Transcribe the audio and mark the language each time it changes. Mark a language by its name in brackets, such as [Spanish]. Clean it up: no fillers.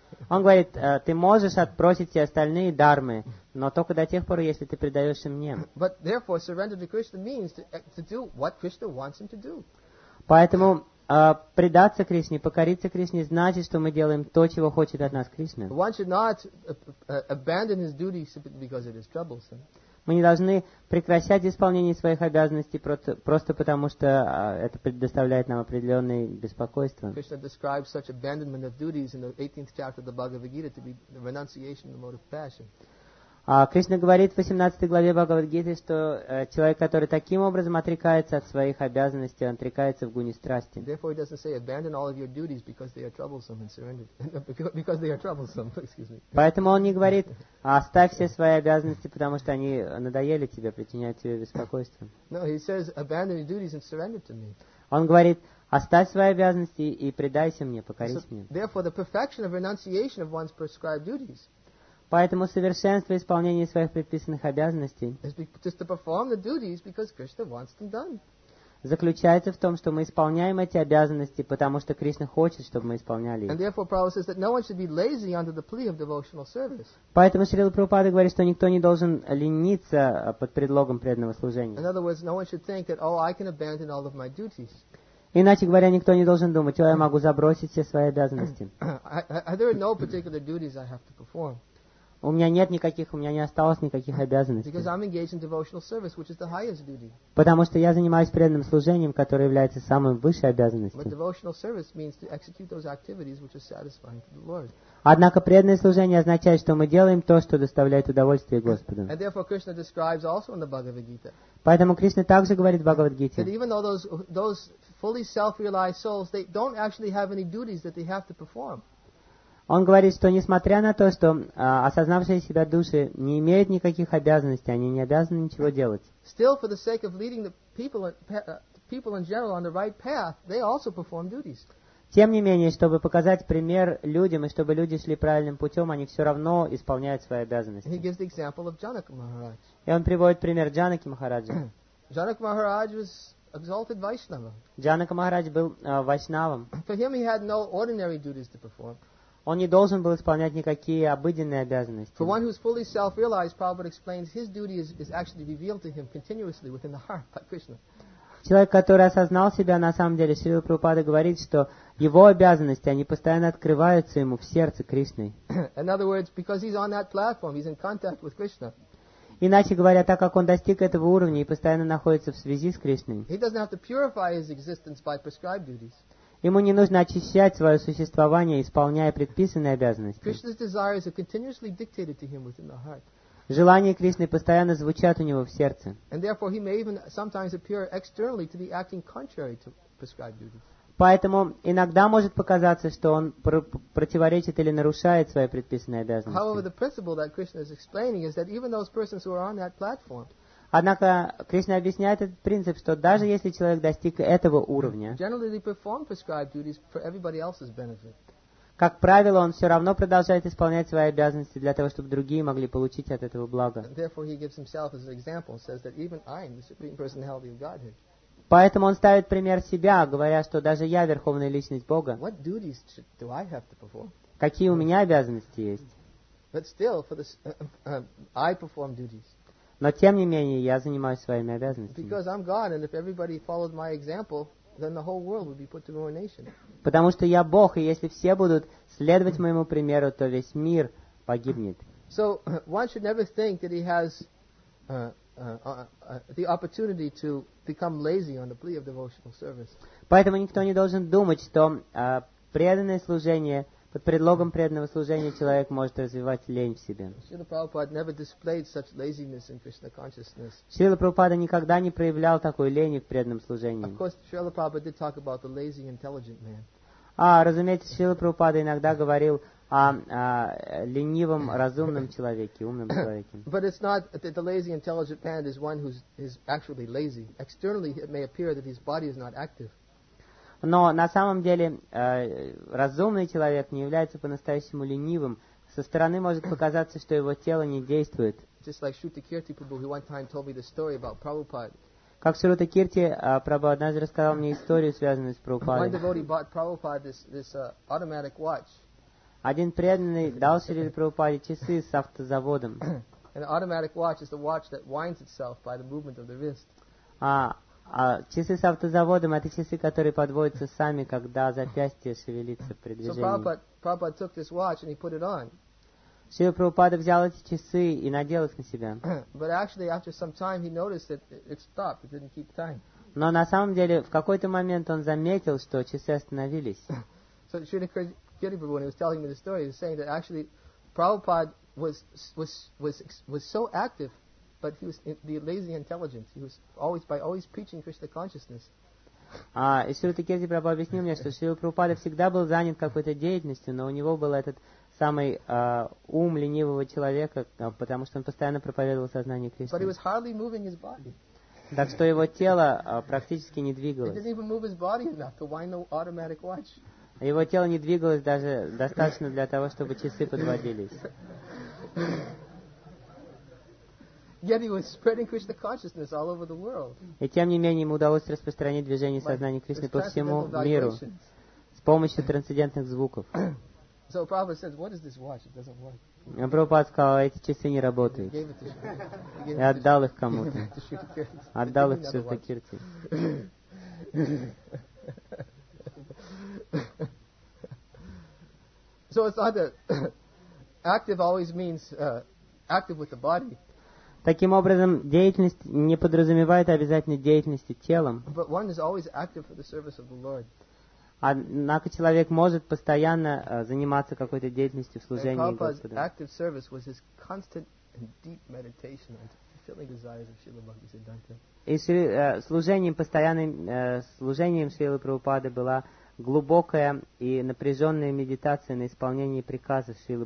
[Russian] Он говорит, ты можешь отбросить все остальные дармы, но только до тех пор, если ты предаешься мне. [English] But therefore, surrender to Krishna means to do what Krishna wants him to do. [Russian] Поэтому предаться Кришне, покориться Кришне, значит, что мы делаем то, чего хочет от нас Кришна. [English] One should not abandon his duty because it is troublesome. [Russian] Мы не должны прекращать исполнение своих обязанностей просто потому, что это предоставляет нам определенные беспокойства. [English] Krishna describes such abandonment of duties in the 18th chapter of the Bhagavad-gita to be the renunciation of the mode of passion. [Russian] Кришна говорит в 18 главе Бхагавад-гиты, что человек, который таким образом отрекается от своих обязанностей, он отрекается в гуне страсти. [English] Therefore he doesn't say abandon all of your duties because they are troublesome and surrender because they are troublesome, excuse me. [Russian] Поэтому он не говорит, оставь все свои обязанности, потому что они надоели тебе, причиняют тебе беспокойство. [English] No, he says abandon your duties and surrender to me. [Russian] Он говорит, оставь свои обязанности и предайся мне, покорись мне. [English] Therefore the perfection of renunciation of one's prescribed duties. [Russian] Поэтому совершенство исполнения своих предписанных обязанностей [English] just to perform the duties because Krishna wants them done. [Russian] Заключается в том, что мы исполняем эти обязанности, потому что Кришна хочет, чтобы мы исполняли их. [English] And therefore, Prabhupada says that no one should be lazy under the plea of devotional service. [Russian] Поэтому Шрила Прабхупада говорит, что никто не должен лениться под предлогом преданного служения. [English] In other words, no one should think that, oh, I can abandon all of my duties. [Russian] Иначе говоря, никто не должен думать, что я могу забросить все свои обязанности. [English] There are no particular duties I have to perform. [Russian] У меня нет никаких, у меня не осталось никаких обязанностей. [English] Because I'm engaged in devotional service, which is the highest duty. [Russian] Потому что я занимаюсь преданным служением, которое является самой высшей обязанностью. [English] But devotional service means to execute those activities which are satisfying to the Lord. [Russian] Однако преданное служение означает, что мы делаем то, что доставляет удовольствие Господу. [English] And therefore Krishna describes also in the Bhagavad Gita. [Russian] Поэтому Кришна также говорит в Бхагавад Гите. [English] That even though those fully self-realized souls, they don't actually have any duties that they have to perform. [Russian] Он говорит, что несмотря на то, что осознавшие себя души не имеют никаких обязанностей, они не обязаны ничего делать. [English] Still, for the sake of leading the people in general on the right path, they also perform duties. [Russian] Тем не менее, чтобы показать пример людям и чтобы люди шли правильным путем, они все равно исполняют свои обязанности. [English] And he gives the example of Janak Maharaj. [Russian] И он приводит пример Джанаки Махараджа. [English] Janak Maharaj was exalted Vaishnava. [Russian] Джанака Махарадж был вайшнавом. [English] For him, he had no ordinary duties to perform. [Russian] Он не должен был исполнять никакие обыденные обязанности. [English] For one who is fully self-realized, Prabhupada explains his duty is actually revealed to him continuously within the heart by Krishna. [Russian] Человек, который осознал себя, на самом деле, Шрила Прабхупада говорит, что его обязанности, они постоянно открываются ему в сердце Кришны. [English] In other words, because he's on that platform, he's in contact with Krishna. [Russian] Иначе говоря, так как он достиг этого уровня и постоянно находится в связи с Кришной, [English] he doesn't have to purify his existence by prescribed duties. [Russian] Ему не нужно очищать свое существование, исполняя предписанные обязанности. [English] Krishna's desires are continuously dictated to him within the heart. [Russian] Желания Кришны постоянно звучат у него в сердце. [English] And therefore he may even sometimes appear externally to be acting contrary to prescribed duties. [Russian] Поэтому иногда может показаться, что он противоречит или нарушает свои предписанные обязанности. [English] However, the principle that Krishna is explaining is that even those persons who are on that platform, [Russian] однако Кришна объясняет этот принцип, что даже если человек достиг этого уровня, [English] generally they perform prescribed duties for everybody else's benefit. [Russian] Как правило, он все равно продолжает исполнять свои обязанности для того, чтобы другие могли получить от этого благо. [English] Therefore he gives himself as an example and says that even I am the supreme personality of Godhead. [Russian] Поэтому он ставит пример себя, говоря, что даже я верховная личность Бога. [English] What duties do I have to perform? [Russian] Какие у меня обязанности есть? [English] But still, for this, I perform duties. [Russian] Но тем не менее, я занимаюсь своими обязанностями. [English] Because I'm God, and if everybody followed my example, then the whole world would be put to ruination. [Russian] Потому что я Бог, и если все будут следовать моему примеру, то весь мир погибнет. [English] So one should never think that he has the opportunity to become lazy on the plea of devotional service. [Russian] Поэтому никто не должен думать, что преданное служение под предлогом преданного служения человек может развивать лень в себе. [English] Шрила Прабхупада never displayed such laziness in Krishna consciousness. [Russian] Шрила Прабхупада никогда не проявлял такой лени в преданном служении. [English] Of course, Шрила Прабхупада did talk about the lazy intelligent man. [Russian] Разумеется, Шрила Прабхупада иногда говорил о ленивом, разумном человеке, умном человеке. [English] But it's not that the lazy intelligent man is one who is actually lazy. Externally, it may appear that his body is not active. [Russian] Но на самом деле разумный человек не является по-настоящему ленивым. Со стороны может показаться, что его тело не действует. [English] Just like Shruti Kirti Prabhu, one time told me the story about Prabhupada. [Russian] Как Шрута Кирти Прабху однажды рассказал мне историю, связанную с Прабхупадой. [English] One devotee bought Prabhupada this automatic watch. [Russian] Один преданный дал Шриле Прабхупаде часы с автозаводом. [English] An automatic watch is the watch that winds itself by the movement of the wrist. [Russian] Часы с автозаводом — это часы, которые подводятся сами, когда запястье шевелится при движении. [English] So Prabhupada took this watch and he put it on. [Russian] Шрила Прабхупада взял эти часы и надел их на себя. [English] But actually, after some time, he noticed that it stopped. It didn't keep time. [Russian] Но на самом деле, в какой-то момент он заметил, что часы остановились. [English] So Shrila Kirti Prabhu, when he was telling me the story, he was saying that actually Prabhupada was so active. But he was the lazy intelligence. He was always preaching Krishna consciousness. [Russian] И Шрута Кирти Прабху объяснил мне, что Шрила Прабхупада всегда был занят какой-то деятельностью, но у него был этот самый ум ленивого человека, потому что он постоянно проповедовал сознание Кришны. [English] But he was hardly moving his body. [Russian] Так что его тело практически не двигалось. [English] He didn't even move his body enough to wind the automatic watch. [Russian] Его тело не двигалось даже достаточно для того, чтобы часы подводились. [English] Yet he was spreading Krishna consciousness all over the world. [Russian] И тем не менее ему удалось распространить движение сознания Кришны по всему миру с помощью трансцендентных звуков. [English] So Prabhupada says, "What is this watch? It doesn't work." [Russian] И Прабхупада сказал, эти часы не работают. И отдал их кому-то. Отдал их Шрута Кирти. [English] So it's not that active always means active with the body. [Russian] Таким образом, деятельность не подразумевает обязательной деятельности телом. [English] But one is always active for the service of the Lord. [Russian] Однако человек может постоянно заниматься какой-то деятельностью в служении Господа. [English] And Prabhupada's active service was his constant and deep meditation on fulfilling desires of Srila Bhakti Siddhanta. [Russian] И служением, постоянным служением Шрилы Прабхупады была глубокая и напряженная медитация на исполнении приказов Шрилы